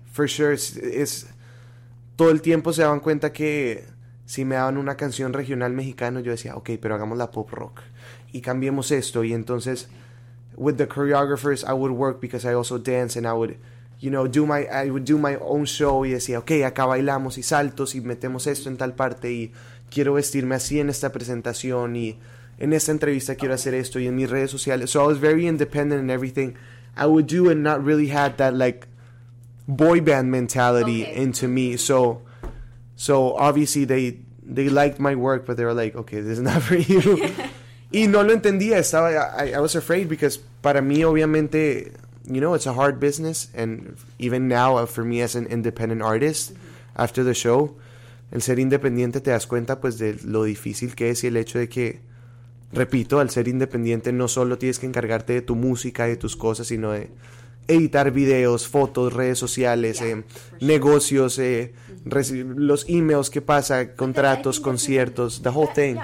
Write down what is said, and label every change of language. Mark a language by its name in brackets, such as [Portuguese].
[English] For sure, [Spanish] es todo el tiempo se daban cuenta que si me daban una canción regional mexicana, yo decía, okay, pero hagamos la pop rock y cambiemos esto, y entonces... [English] Okay. With the choreographers, I would work because I also dance, and I would, you know, I would do my own show. [Spanish] Y decía, okay, acá bailamos y saltos y metemos esto en tal parte y quiero vestirme así en esta presentación y en esta entrevista quiero hacer esto y en mis redes sociales. [English] So I was very independent in everything I would do, and not really had that like boy band mentality into me. So obviously they liked my work, but they were like, okay, this is not for you. [Spanish] Y no lo entendía, estaba, [English] I was afraid, because [Spanish] para mí, obviamente, [English] you know, it's a hard business, and even now, for me as an independent artist, after the show, [Spanish] el ser independiente te das cuenta, pues, de lo difícil que es, y el hecho de que, repito, al ser independiente no solo tienes que encargarte de tu música, de tus cosas, sino de editar videos, fotos, redes sociales, negocios, los emails que pasa, contratos, conciertos, [English] the whole thing.